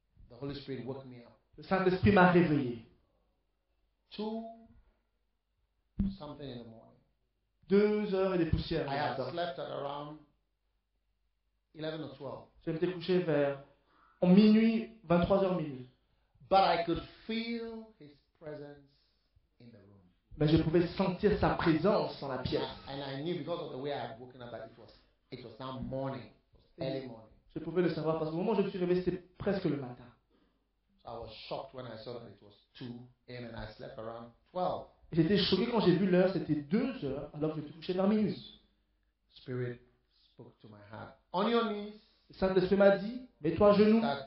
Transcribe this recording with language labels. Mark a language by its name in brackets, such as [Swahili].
[English] the Holy Spirit woke me up. [French] Le Saint-Esprit m'a réveillé. [English] Two something in the morning. [French] 2 heures et des poussières. [English] I had slept at around 11 or 12. [French] Je m'étais couché vers en minuit, 23h minuit. [English] But I could feel his presence in the room. [French] Mais je pouvais sentir sa présence dans la pièce. [English] And I knew because of the way I had woken up that it was now morning, early morning. [French] Je pouvais le savoir parce que au moment où je me suis réveillé, c'était presque le matin. [English] I was shocked when I saw that it was 2 a.m. and I slept around 12. [French] J'étais choqué quand j'ai vu l'heure, c'était 2 heures alors que je me suis couché vers minuit. [English] Spirit spoke to my heart. On your knees. [French] Le Saint-Esprit m'a dit, mets-toi à genoux.